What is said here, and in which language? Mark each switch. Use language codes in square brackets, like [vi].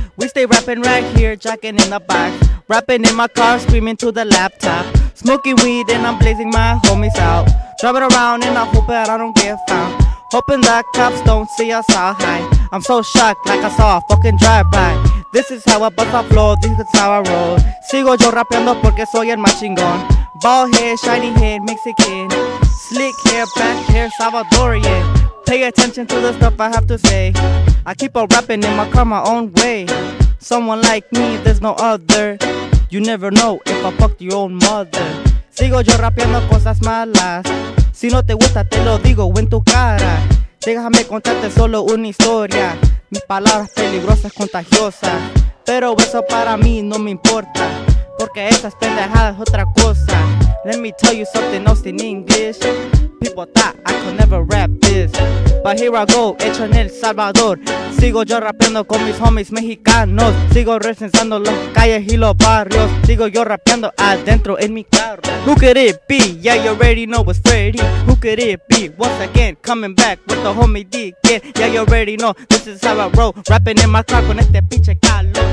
[en] We stay rapping right here, jacking in the box. Rapping in my car, screaming to the laptop. Smoking weed and I'm blazing my homies out. Driving around and I hope that I don't get found. Hoping that cops don't see us all high. I'm so shocked like I saw a fucking drive-by. This is how I bust off flow, this is how I roll. [es] Sigo yo rapeando porque soy el más chingón. [en] Bald head, shiny head, Mexican. Slick hair, black hair, Salvadorian. Pay attention to the stuff I have to say. I keep on rapping in my car my own way. Someone like me, there's no other. You never know if I fucked your own mother. [es] Sigo yo rapeando cosas malas. Si no te gusta, te lo digo en tu cara. Déjame contarte solo una historia. Mis palabras peligrosas, contagiosas. Pero eso para mí no me importa. Porque esas pendejadas otra cosa. [en] Let me tell you something else in English. People thought I could never rap this. But here I go, [es] hecho en El Salvador. Sigo yo rapeando con mis homies mexicanos. Sigo recensando las calles y los barrios. Sigo yo rapeando adentro en mi carro. [en] Who could it be? Yeah, you already know it's Freddy. Who could it be? Once again, coming back with the homie Deacon. Yeah, you already know this is how I roll. Rapping in my car [es] con este pinche calor.